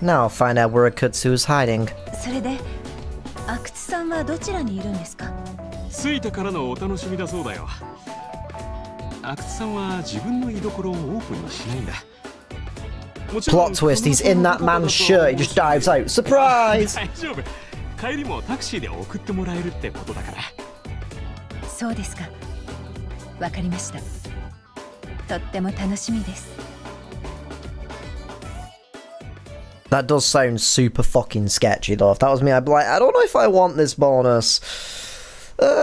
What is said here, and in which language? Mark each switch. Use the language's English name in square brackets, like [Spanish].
[English] Now I'll find out where Akutsu is hiding. [Japanese] それで阿久津さんはどちらにいるんですか。着いてからのお楽しみだそうだよ。阿久津さんは自分の居所をオープンにしないんだ。 [English] Plot twist, he's in that man's shirt. He just dives out. Surprise! That does sound super fucking sketchy though. If that was me, I'd be like, I don't know if I want this bonus.